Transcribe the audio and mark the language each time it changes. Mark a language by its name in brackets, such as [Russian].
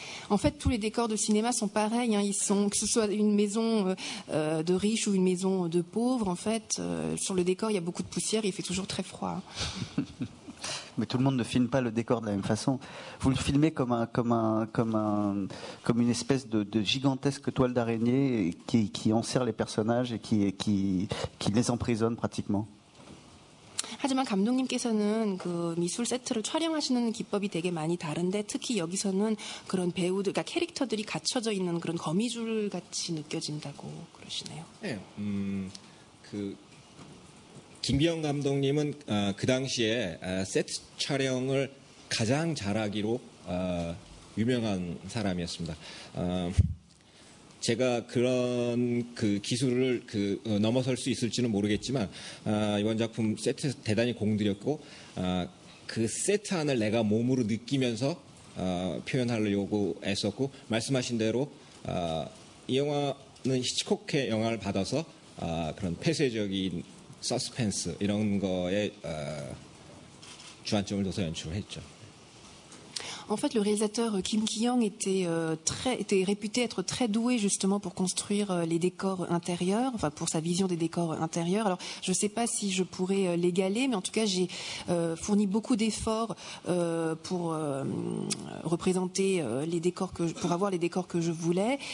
[French] En fait, tous les décors de cinéma sont pareils. Hein. Ils sont, que ce soit une maison de riche ou une maison de pauvre, en fait, sur le décor, il y a beaucoup de poussière, il fait toujours très froid. Mais tout le monde ne filme pas le décor de la même façon. Vous le filmez comme une espèce de gigantesque toile d'araignée qui enserre les personnages et qui les emprisonne pratiquement. [Korean] 하지만 감독님께서는 그 미술 세트를 촬영하시는 기법이 되게 많이 다른데 특히 여기서는 그런 배우들, 그러니까 캐릭터들이 갖춰져 있는 그런 거미줄 같이 느껴진다고 그러시네요. 네, 그 김비영 감독님은 그 당시에 세트 촬영을 가장 잘하기로 유명한 사람이었습니다. 제가 그런 그 기술을 그 넘어설 수 있을지는 모르겠지만 이번 작품 세트 대단히 공들였고 그 세트 안을 내가 몸으로 느끼면서 표현하려고 애썼고 말씀하신 대로 이 영화는 히치콕의 영화를 받아서 그런 폐쇄적인 서스펜스 이런 거에 주안점을 둬서 연출을 했죠. [French] En fait, le réalisateur Kim Ki-young était réputé être très doué justement pour construire les décors intérieurs, enfin pour sa vision des décors intérieurs. Alors, je ne sais pas si je pourrais l'égaler, mais en tout cas, j'ai fourni beaucoup d'efforts pour représenter les décors pour avoir les décors que je voulais.